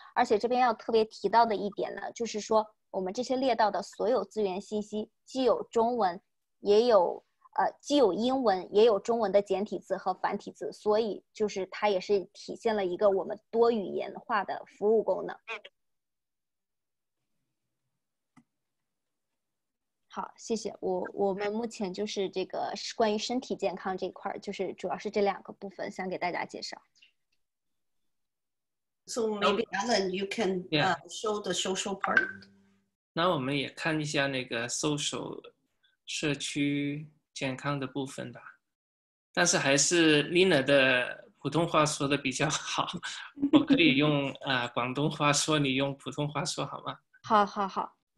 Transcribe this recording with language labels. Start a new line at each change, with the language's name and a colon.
Chinese: 而且这边要特别提到的一点呢，就是说我们这些列到的所有资源信息既有中文也有既有英文也有中文的简体字和繁体字，所以就是它也是体现了一个我们多语言化的服务功能。好，谢谢。我们目前就是这个是关于身体健康这块，就是主要是这两个部分想给大家介绍。
English: So maybe Alan, you can show the social part.
Chinese: 那我们也看一下那个 social 社区健康的部分吧，但是还是 Lina 的普通话说的比较好，我可以用广东话说，你用普通话说好吗？好好好。